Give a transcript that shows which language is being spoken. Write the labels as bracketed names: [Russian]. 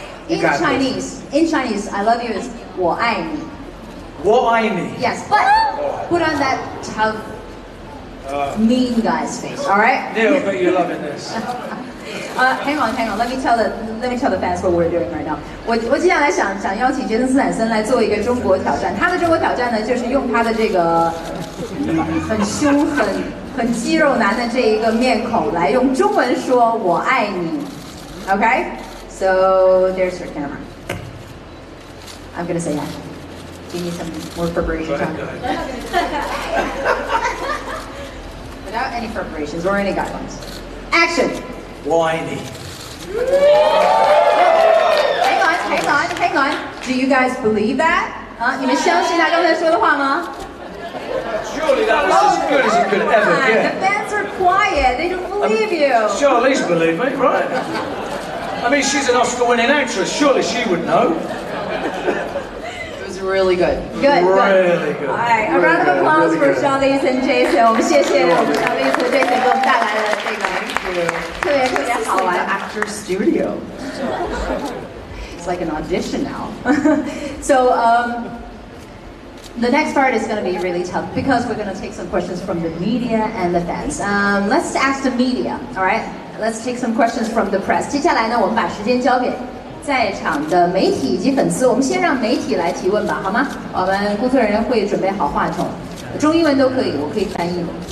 [English] In Chinese, I love you is [Chinese] 我爱你. 我爱你. [English] Yes, but put on that tough, mean guy's face. All right. Neil, but you're loving this. Hang on. Let me tell the fans what we're doing right now. [Chinese] 我接下来想邀请杰森斯坦森来做一个中国挑战。他的中国挑战呢，就是用他的这个很凶、很肌肉男的这一个面孔来用中文说“我爱你”。 [English] Okay, so there's your camera. I'm gonna say yes. Do you need some more preparation time? Without any preparations or any guidelines, action. [Chinese] 我爱你。 [English] Hang on. Do you guys believe that? [Chinese] 你们相信他刚才说的话吗？ [English] Surely that was as good as it could ever get. The fans are quiet. They don't believe you. Charlize believe me, right? I mean, she's an Oscar-winning actress. Surely she would know. It was really good. Good. Really good. All right, a round of applause really for Charlize and Jason. [Chinese] 谢谢我们 Charlize 和 Jason 给我们带来了这个特别特别好玩的 [English] Actor Studio. It's like an audition now. So, the next part is going to be really tough because we're going to take some questions from the media and the fans. Let's ask the media, all right? Let's take some questions from the press. [Chinese] 接下来呢，我们把时间交给在场的媒体以及粉丝。我们先让媒体来提问吧，好吗？我们工作人员会准备好话筒，中英文都可以，我可以翻译。